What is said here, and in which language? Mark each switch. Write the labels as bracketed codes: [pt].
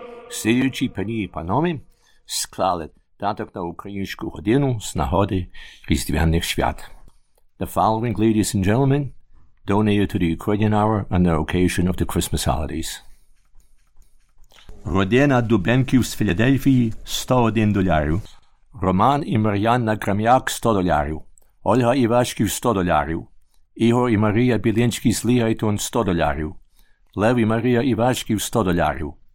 [uk] Сіючі пані і панові склали даток на українську годину з нагоди різдвяних свят. [en] The following, ladies and gentlemen, donated to the Ukrainian Hour on the occasion of the Christmas holidays. [uk] Родина Дубенків з Філадельфії – 101 долярів. Роман і Мар'яна Крам'як – 100 долярів. Ольга Івашків – 100 долярів. Ігор і Марія Білинські з Лігайтон – 100 долярів. Лев і Марія Івашків – 100 долярів.